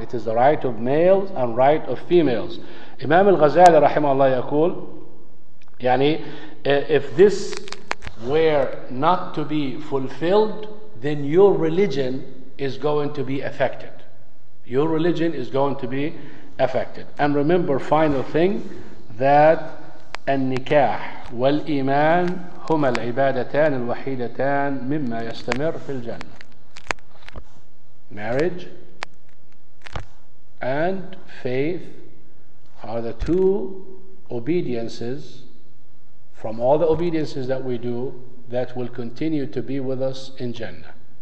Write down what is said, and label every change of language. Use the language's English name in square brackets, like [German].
[English] It is the right of males and right of females. Imam al-Ghazali rahimahullah yaqul, yani, if this were not to be fulfilled, then your religion is going to be affected. Your religion is going to be affected. And remember, final thing, that [Arabic] النكاح والإيمان هما العبادتان الوحيدتان مما يستمر في الجنة. [English] Marriage and faith are the two obediences from all the obediences that we do that will continue to be with us in Jannah.